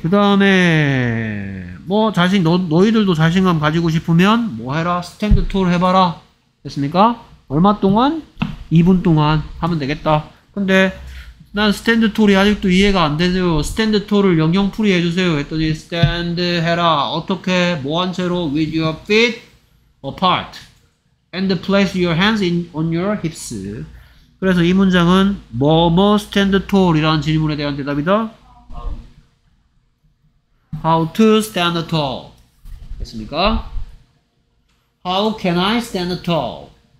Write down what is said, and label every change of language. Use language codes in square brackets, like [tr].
[ko] 그 다음에 뭐 자신 너희들도 자신감 가지고 싶으면 뭐 해라? 스탠드 톨 해봐라. 됐습니까? 얼마 동안? 2분 동안 하면 되겠다. 근데 난 스탠드 톨이 아직도 이해가 안 되네요. 스탠드 톨을 영영풀이 해주세요. 했더니 스탠드 해라. 어떻게? 모한 채로 [en] with your feet apart and place your hands in on your hips. [ko] 그래서 이 문장은 뭐뭐 스탠드 톨이라는 질문에 대한 대답이다. [en] How to stand tall? [ko] 됐습니까? [en] How can I stand tall?